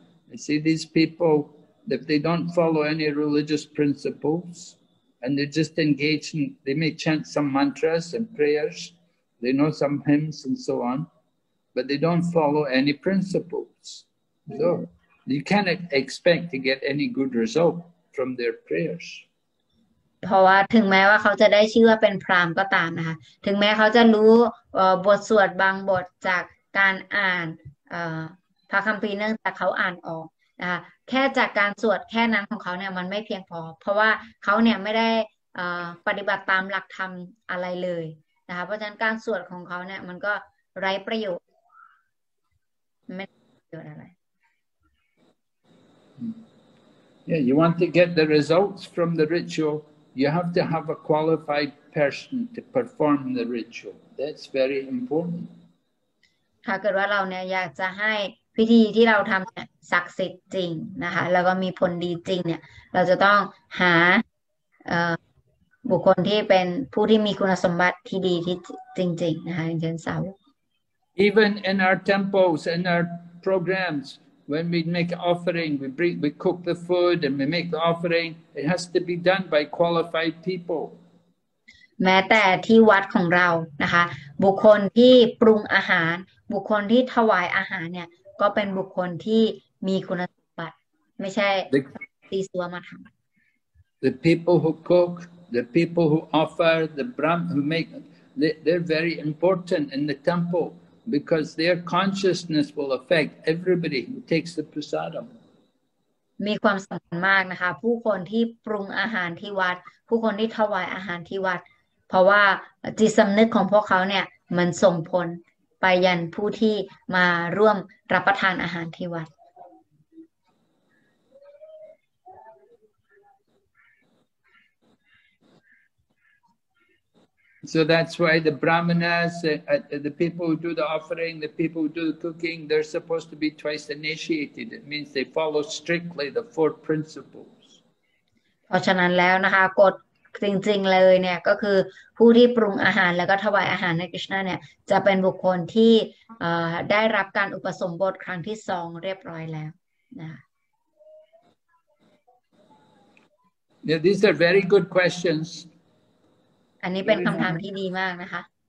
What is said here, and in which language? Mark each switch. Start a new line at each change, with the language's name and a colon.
English: You see these people, if they don't follow any religious principles,And they're just engaged in, they may chant some mantras and prayers, they know some hymns and so on, but they don't follow any principles. So you cannot expect to get any good result from their prayers.
Thai: เพราะว่าถึงแม้ว่าเขาจะได้ชื่อว่าเป็นพราหมณ์ก็ตามนะคะถึงแม้เขาจะรู้บทสวดบางบทจากการอ่านพระคัมภีร์เนื่องจากเขาอ่านออกนะแค่จากการสวดแค่นั้นของเขาเนี่ยมันไม่เพียงพอเพราะว่าเขาเนี่ยไม่ได้ปฏิบัติตามหลักธรรมอะไรเลยนะคะเพราะฉะนั้นการสวดของเขาเนี่ยมันก็ไร้ประโยชน์ไม่ได้ประโยชน์อะไร
English: Yeah you want to get the results from the ritual you have to have a qualified person to perform the ritual that's very important
Thai: ถ้าเกิดว่าเราเนี่ยอยากจะให้พิธีที่เราทำเนี่ยศักดิ์สิทธิ์จริงนะคะแล้วก็มีผลดีจริงเนี่ยเราจะต้องหาบุคคลที่เป็นผู้ที่มีคุณสมบัติที่ดีที่จริงๆนะคะเช่นสาว
English: Even in our temples and our programs when we make offering we cook the food and we make the offering it has to be done by qualified people
Thai: แม้แต่ที่วัดของเรานะคะบุคคลที่ปรุงอาหารบุคคลที่ถวายอาหารเนี่ยก็เป็นบุคคลที่มีคุณสมบัติไม่ใช่ตีสัวมาทำ
English: The people who cook, the people who offer, the Brahm who make, they're very important in the temple because their consciousness will affect everybody who takes the prasadam.
Thai: มีความสำคัญมากนะคะผู้คนที่ปรุงอาหารที่วัดผู้คนที่ถวายอาหารที่วัดเพราะว่าจิตสำนึกของพวกเขาเนี่ยมันส่งผลไปยันผู้ที่มาร่วมรับประทานอาหารที่วัด
English: So that's why the brahmanas, the people who do the offering, the people who do the cooking, they're supposed to be twice initiated. It means they follow strictly the four principles.
Thai: เพราะฉะนั้นแล้วนะคะกฎจริงๆเลยเนี่ยก็คือผู้ที่ปรุงอาหารแล้วก็ถวายอาหารให้คริสต์นาเนี่ยจะเป็นบุคคลที่ได้รับการอุปสมบทครั้งที่สองเรียบร้อยแล้วนะคะ
English: Yeah, these are very good questions.
Thai: อันนี้เป็นคำถามที่ดีมากนะคะ